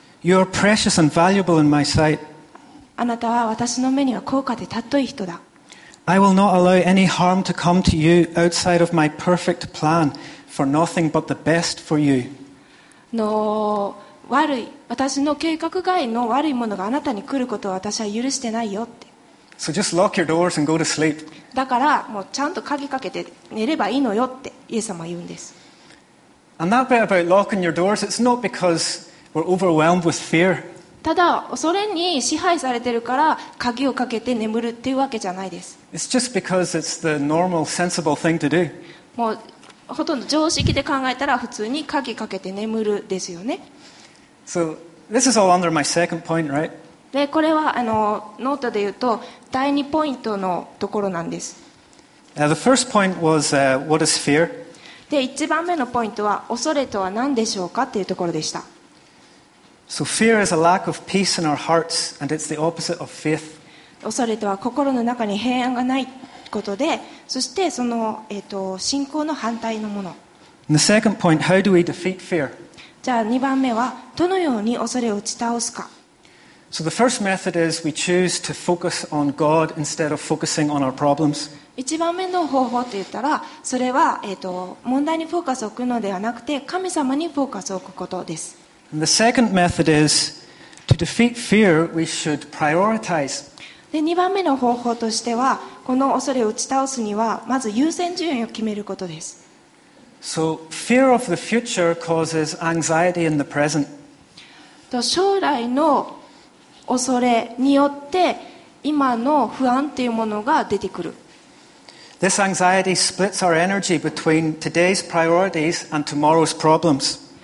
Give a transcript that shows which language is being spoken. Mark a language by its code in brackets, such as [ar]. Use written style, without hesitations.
[en] You are precious and valuable in my sight. [ja] あなたは私の目には高価で尊い人だ。 [en] I will not allow any harm to come to you outside of my perfect plan for nothing but the best for you. [ja] の悪い私の計画外の悪いものがあなたに来ることを私は許してないよって。 [en] So just lock your doors and go to sleep. [ja] だからもうちゃんと鍵かけて寝ればいいのよってイエス様は言うんです。 [en] And that bit about locking your doors, it's not because we're overwhelmed with fear. [ja] ただ恐れに支配されてるから鍵をかけて眠るっていうわけじゃないです。 [en] It's just because it's the normal, sensible thing to do. [ja] もうほとんど常識で考えたら普通に鍵かけて眠るですよね。 [en] So this is all under my second point, right? [ja] でこれはノートで言うと第2ポイントのところなんです。 [en] The first point was, what is fear? [ja] で一番目のポイントは恐れとは何でしょうかっていうところでした。 [en] So fear is a lack of peace in our hearts, and it's the opposite of faith. [ja] 恐れとは心の中に平安がないことで、そしてその信仰の反対のもの。 [en] And the second point, how do we defeat fear? [ja] じゃあ2番目はどのように恐れを打ち倒すか。 [en] So the first method is we choose to focus on God instead of focusing on our problems. [ja] 一番目の方法といったら、それは問題にフォーカスを置くのではなくて、神様にフォーカスを置くことです。 [en] And the second method is to defeat fear, we should prioritize. [ja] で、二番目の方法としては、この恐れを打ち倒すにはまず優先順位を決めることです。 [en] So fear of the future causes anxiety in the present. [ja] と将来の恐れによって今の不安っていうものが出てくる。 [en] This anxiety splits our energy between today's priorities and tomorrow's problems.